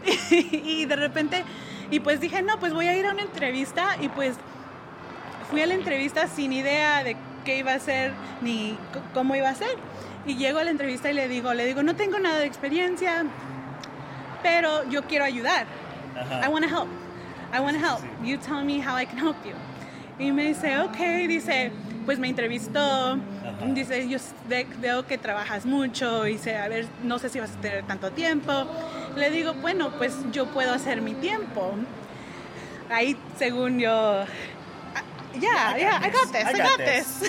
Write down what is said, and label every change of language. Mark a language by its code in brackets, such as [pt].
[es] y de repente, y pues dije, no, pues voy a ir a una entrevista, y pues fui a la entrevista sin idea de qué iba a hacer ni cómo iba a ser. Y llego a la entrevista y le digo, no tengo nada de experiencia, pero yo quiero ayudar. Uh-huh. [en] I want to help. Sí. You tell me how I can help you. [es] Y me dice, okay, dice, pues me entrevistó, dice, yo veo que trabajas mucho, dice, a ver, no sé si vas a tener tanto tiempo. Le digo, bueno, pues yo puedo hacer mi tiempo. Ahí, según yo, [en] I got this, I got this.